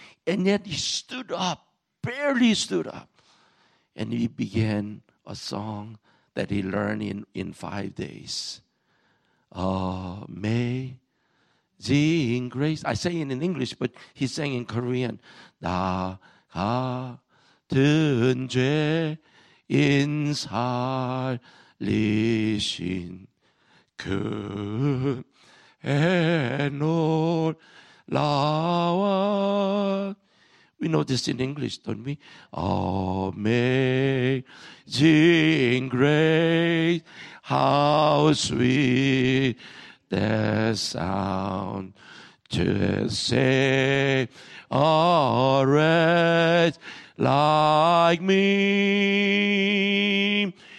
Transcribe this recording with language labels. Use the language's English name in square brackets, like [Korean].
[English] And yet he stood up, barely stood up. And he began a song that he learned in 5 days. Amazing grace. I say it in English, but he sang in Korean. [Korean] 나 같은 죄인 살리신 그의 놀라워. [English] We know this in English, don't we? Amazing grace, how sweet the sound to save a wretch like me.